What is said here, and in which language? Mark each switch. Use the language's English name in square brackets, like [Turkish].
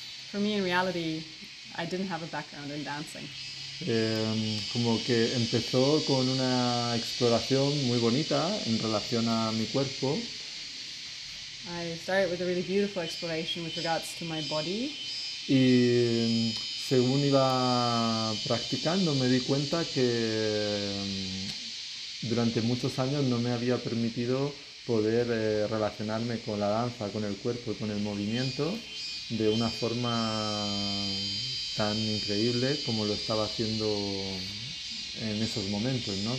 [English] For me, in reality, I didn't have a background in dancing. [Spanish] Como que empezó con una exploración muy bonita en relación a mi cuerpo. [English] I started with a really beautiful exploration with regards to my body. [Spanish] Y según iba practicando, me di cuenta que durante muchos años no me había permitido poder relacionarme con la danza, con el cuerpo y con el movimiento de una forma tan increíble como lo estaba haciendo en esos momentos, ¿no?